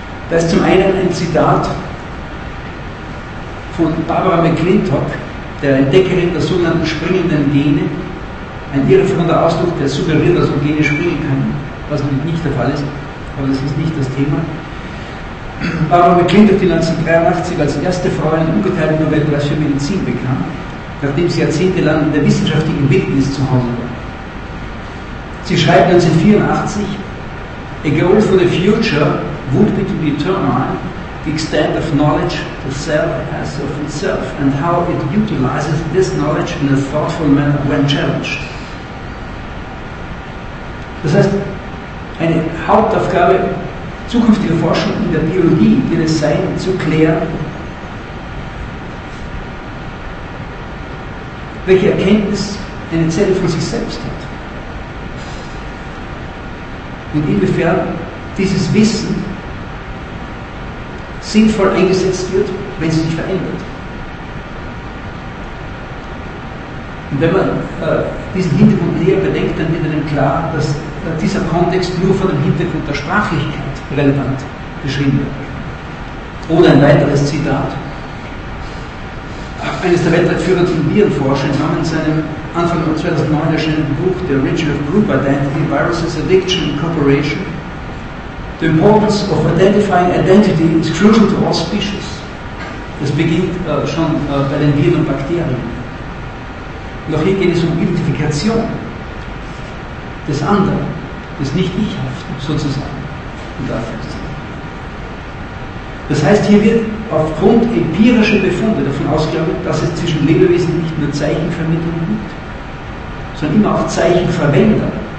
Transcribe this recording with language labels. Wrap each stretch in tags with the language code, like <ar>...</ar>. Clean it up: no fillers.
<de>Da ist zum einen ein Zitat von Barbara McClintock, der Entdeckerin der sogenannten springenden Gene, ein irreführender Ausdruck, der suggeriert, dass Gene springen können, was nämlich nicht der Fall ist, aber das ist nicht das Thema. Barbara McClintock, die 1983 als erste Frau einen ungeteilten Nobelpreis für Medizin bekam, nachdem sie jahrzehntelang in der wissenschaftlichen Wildnis zu Hause war. Sie schreibt 1984,</de> <en>A goal for the future would be to determine the extent of knowledge the cell has of itself and how it utilizes this knowledge in a thoughtful manner when challenged.</en> <de>Das heißt, eine Hauptaufgabe zukünftiger Forschung in der Biologie wird es sein, zu klären, welche Erkenntnis eine Zelle von sich selbst hat. Und inwiefern dieses Wissen sinnvoll eingesetzt wird, wenn sie sich verändert. Und wenn man diesen Hintergrund näher bedenkt, dann wird einem klar, dass dieser Kontext nur von dem Hintergrund der Sprachlichkeit relevant beschrieben wird. Oder ein weiteres Zitat eines der weltweit führenden Virenforscher im Rahmen seinem Anfang 2009 erschienenen Buch The Origin of Group Identity, Viruses, Addiction and Cooperation.</de> <en>The importance of identifying identity is crucial to all species.</en> <de>Das beginnt schon bei den Viren und Bakterien. Und auch hier geht es um Identifikation des Anderen, des Nicht-Ichhaften sozusagen. Und das heißt, hier wird aufgrund empirischer Befunde davon ausgegangen, dass es zwischen Lebewesen nicht nur Zeichenvermittlung gibt, sondern immer auch Zeichenverwender.</de>